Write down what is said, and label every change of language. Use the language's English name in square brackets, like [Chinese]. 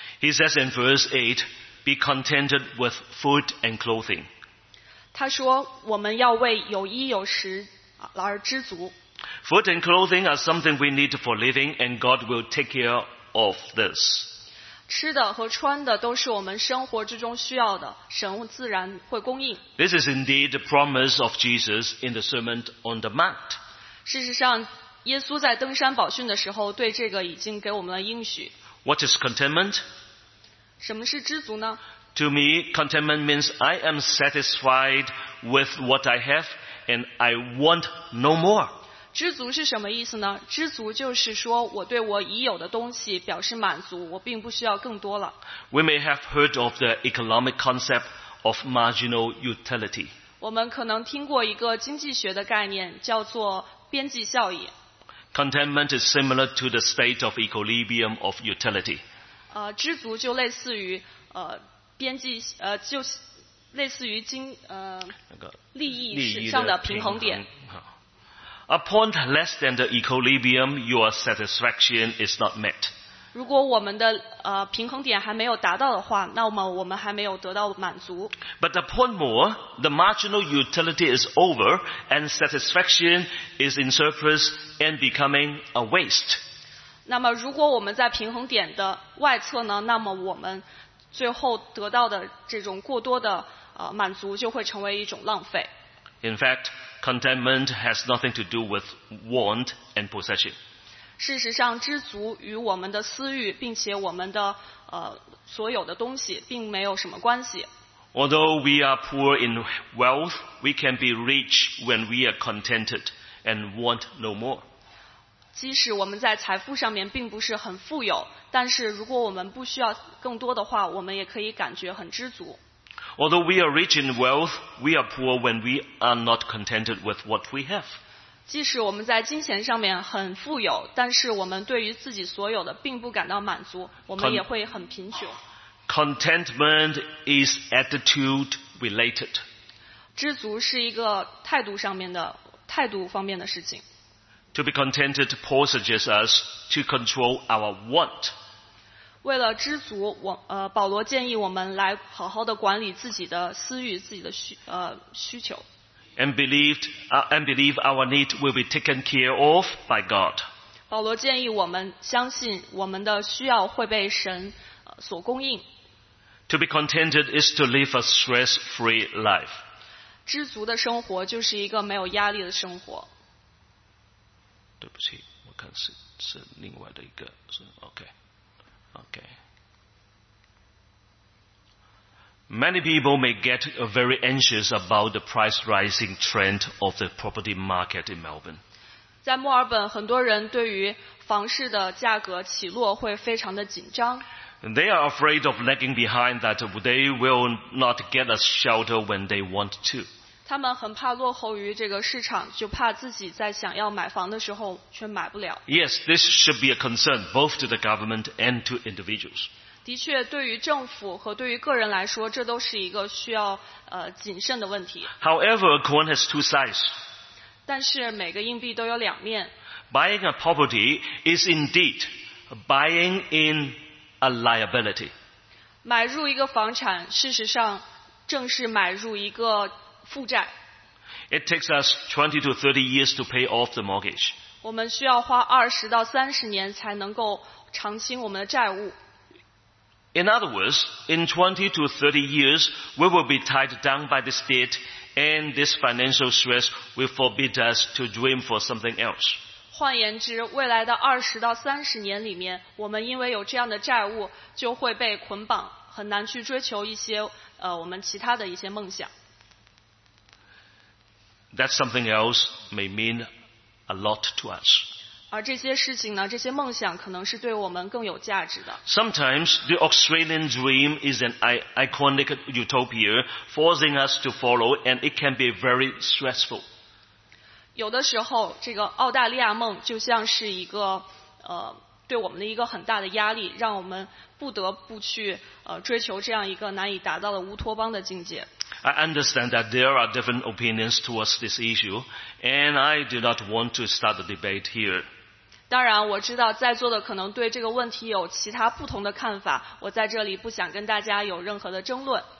[English] He says in verse 8, be contented with food and clothing. [Chinese] 他说我们要为有衣有食而知足。 [English] Food and clothing are something we need for living and God will take care of this. [Chinese] 吃的和穿的都是我们生活之中需要的，神自然会供应。 [English] This is indeed the promise of Jesus in the Sermon on the Mount. [Chinese] 事实上耶稣在登山宝训的时候对这个已经给我们了应许。 [English] What is contentment? [Chinese] 什么是知足呢？ [English] To me, contentment means I am satisfied with what I have and I want no more. [Chinese] 知足是什么意思呢？知足就是说我对我已有的东西表示满足，我并不需要更多了。 [English] We may have heard of the economic concept of marginal utility. [Chinese] 我们可能听过一个经济学的概念叫做边际效益。 [English] Contentment is similar to the state of equilibrium of utility. [Chinese] 知足就类似于边际就类似于经利益上的平衡点。 [English] Upon less than the equilibrium, your satisfaction is not met. [Chinese] 如果我们的平衡点还没有达到的话，那么我们还没有得到满足。 [English] But upon more, the marginal utility is over, and satisfaction is in surplus and becoming a waste. [Chinese] 那么如果我们在平衡点的外侧呢，那么我们最后得到的这种过多的满足就会成为一种浪费。 [English] In fact,Contentment has nothing to do with want and possession. [Chinese] 事实上，知足与我们的私欲，并且我们的所有的东西，并没有什么关系。 [English] Although we are poor in wealth, we can be rich when we are contented and want no more. [Chinese] 即使我们在财富上面并不是很富有，但是如果我们不需要更多的话，我们也可以感觉很知足。 [English] Although we are rich in wealth, we are poor when we are not contented with what we have. [Chinese] 即使我们在金钱上面很富有，但是我们对于自己所有的并不感到满足，我们也会很贫穷。 [English] Contentment is attitude related. [Chinese] 知足是一个态度上面的，态度方面的事情。 [English] To be contented, Paul suggests us to control our want. [Chinese] 为了知足，保罗建议我们来好好的管理自己的私欲，自己的需求。 [English] And believe our need will be taken care of by God. [Chinese] 保罗建议我们相信我们的需要会被神所供应。 [English] To be contented is to live a stress-free life. [Chinese] 知足的生活就是一个没有压力的生活。对不起，我看是另外的一个，是 OK。 [English] Okay. Many people may get very anxious about the price rising trend of the property market in Melbourne. [Chinese] 在墨尔本，很多人对于房市的价格起落会非常的紧张。 [English] They are afraid of lagging behind that they will not get a shelter when they want to. [Chinese] 他们很怕落后于这个市场，就怕自己在想要买房的时候却买不了。 [English] Yes, this should be a concern both to the government and to individuals. [Chinese] 的确，对于政府和对于个人来说，这都是一个需要谨慎的问题。 [English] However, a coin has two sides. [Chinese] 但是每个硬币都有两面。 [English] Buying a property is indeed buying in a liability. [Chinese] 买入一个房产，事实上正是买入一个负债。 [English] It takes us 20 to 30 years to pay off the mortgage. [Chinese] 我们需要花20到30年才能够偿清我们的债务。 [English] In other words, in 20 to 30 years, we will be tied down by this debt, and this financial stress will forbid us to dream for something else. [Chinese] 换言之，未来的20到30年里面，我们因为有这样的债务，就会被捆绑，很难去追求一些我们其他的一些梦想。 [English] That something else may mean a lot to us. [Chinese] 而这些事情呢，这些梦想可能是对我们更有价值的。 [English] Sometimes the Australian dream is an iconic utopia, forcing us to follow, and it can be very stressful. [Chinese] 有的时候，这个澳大利亚梦就像是一个对我们的一个很大的压力，让我们不得不去追求这样一个难以达到的乌托邦的境界。 [English] I understand that there are different opinions towards this issue, and I do not want to start a debate here. [Chinese] 当然，我知道在座的可能对这个问题有其他不同的看法，我在这里不想跟大家有任何的争论。